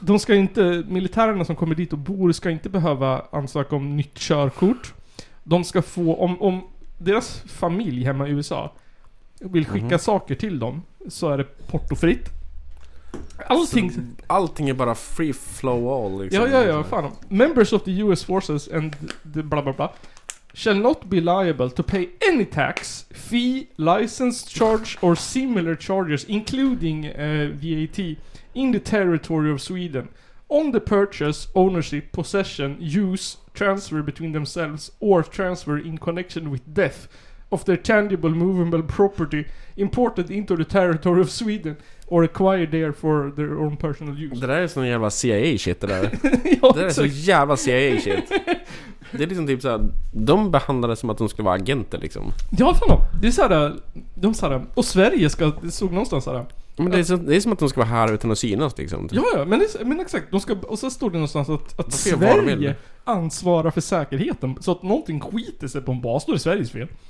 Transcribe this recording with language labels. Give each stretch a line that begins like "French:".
Swedish: De ska inte, militärerna som kommer dit och bor ska inte behöva ansöka om nytt körkort. De ska få, om deras familj hemma i USA vill skicka saker till dem, så är det portofritt. Allting är bara
English: free flow all
Swedish: liksom. Ja, fan.
English: Members of the US forces and the blah blah blah shall not be liable to pay any tax, fee, license charge or similar charges including VAT in the territory of Sweden on the purchase, ownership, possession, use, transfer between themselves or transfer in connection with death of their tangible movable property imported into the territory of Sweden or acquired there for their own personal use.
Swedish: Det där är sån jävla
English: CIA shit
Swedish: det där. Det där är så jävla CIA shit. Det är liksom typ så här, de behandlar det som att de skulle vara agenter liksom. Ja, fan då. Det är så här, de sa det, och Sverige ska, det såg någonstans så här. Men det är som att de ska vara här utan att synas liksom. Ja, men exakt, de ska, och så står det någonstans att Sverige ansvarar för säkerheten så att någonting skiter sig på en bas, då är det Sveriges fel.